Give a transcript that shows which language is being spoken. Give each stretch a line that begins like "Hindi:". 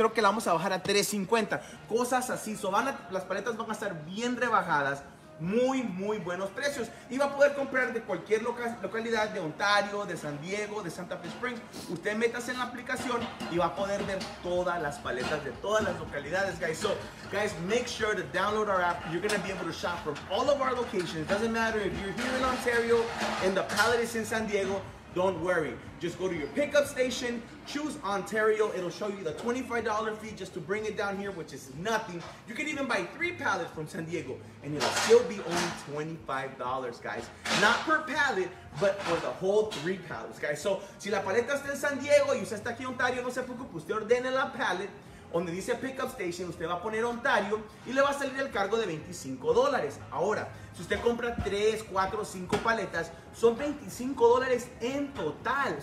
Spanish: Creo que la vamos a bajar a 350. Cosas así. So las paletas van a estar bien rebajadas. Muy, muy buenos precios. Y va a poder comprar de cualquier localidad, de Ontario, de San Diego, de Santa Fe Springs. Usted métase en la aplicación y va a poder ver todas las paletas de todas las localidades, guys.
English: So, guys, make sure to download our app. You're going to be able to shop from all of our locations. It doesn't matter if you're here in Ontario and the pallet is in San Diego. Don't worry. Just go to your pickup station, choose Ontario. It'll show you the $25 fee just to bring it down here, which is nothing. You can even buy 3 pallets from San Diego, and it'll still be only $25, guys. Not per pallet, but for the whole 3 pallets, guys.
Spanish: So, si la paleta está en San Diego y usted está aquí en Ontario, no se preocupe, usted ordene la pallet. Donde dice pickup station, usted va a poner Ontario y le va a salir el cargo de $25. Ahora, si usted compra 3, 4, 5 paletas, son $25 en total.